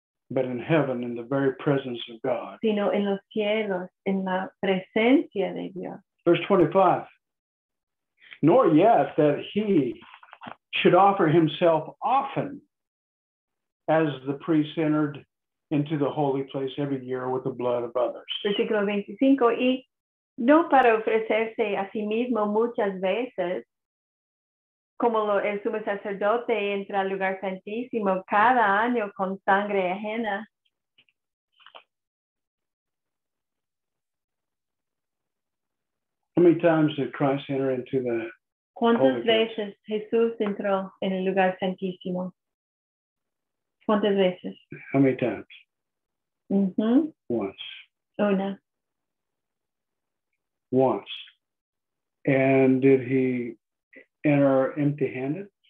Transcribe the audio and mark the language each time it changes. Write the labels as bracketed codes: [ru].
[en] But in heaven, in the very presence of God. [es] Sino en los cielos, en la presencia de Dios. [en] Verse 25. Nor yet that he should offer himself often as the priest entered into the holy place every year with the blood of others. [es] Versículo 25, y no para ofrecerse a sí mismo muchas veces, como lo, el sumo sacerdote entra al lugar santísimo cada año con sangre ajena. [en] How many times did Christ enter into the [es] ¿Cuántas veces Jesús entró en el lugar santísimo? ¿Cuántas veces? [en] How many times? Mm-hmm. Once. [es] Una. [en] Once. And did he enter empty-handed?